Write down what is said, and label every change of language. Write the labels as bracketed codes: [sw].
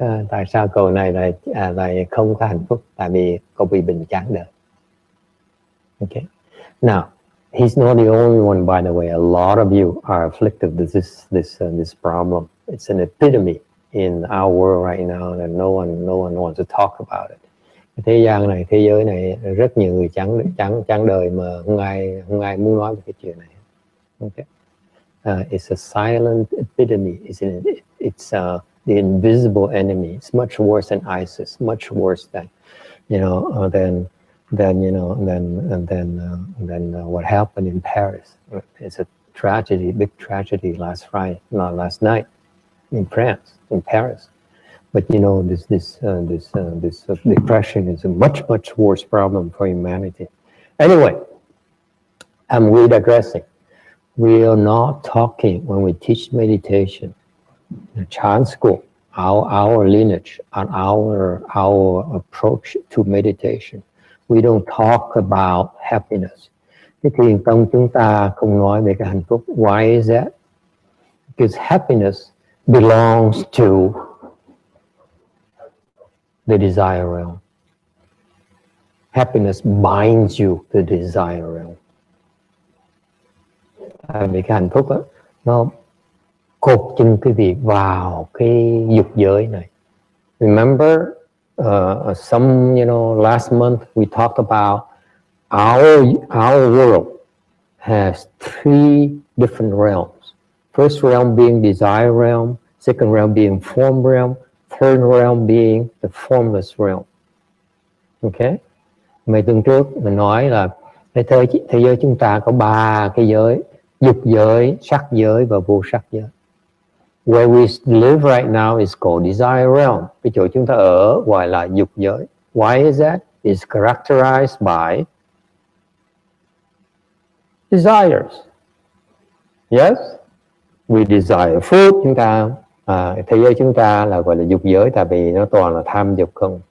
[vi] Tại sao câu này lại không có hạnh phúc? Tại vì cô bị bệnh chán đời. [en] Okay. Now, he's not the only one, by the way. A lot of you are afflicted with this problem. It's an epidemic in our world right now, and no one wants to talk about it. [vi] Thế gian này, thế giới này rất nhiều người chán đời mà không ai muốn nói về cái chuyện này. [en] Okay. It's a silent epidemic, isn't it? It's the invisible enemy. It's much worse than ISIS, much worse than what happened in Paris. It's a tragedy, big tragedy last night in France, in Paris. But you know, this depression is a much, much worse problem for humanity. Anyway, I'm redigressing. We are not talking when we teach meditation. The Chan school, our lineage, and our approach to meditation. We don't talk about happiness. [vi] Thế thì trong chúng ta không nói về cái hạnh phúc. [en] Why is that? Because happiness belongs to the desire realm. Happiness binds you to the desire realm. [vi] Tại vì cái hạnh phúc đó, nó cột chân quý vị vào cái dục giới này. [en] Remember, last month we talked about our world has three different realms. First realm being desire realm, second realm being form realm, third realm being the formless realm. Okay? [vi] Mấy tuần trước mình nói là thế giới chúng ta có ba cái giới. Dục giới, sắc giới và vô sắc giới. [en] Where we live right now is called desire realm. [vi] Cái chỗ chúng ta ở gọi là dục giới. [en] Why is that? It's characterized by desires. Yes? We desire food. [vi] Chúng ta, thế giới chúng ta là gọi là dục giới tại vì nó toàn là tham dục không.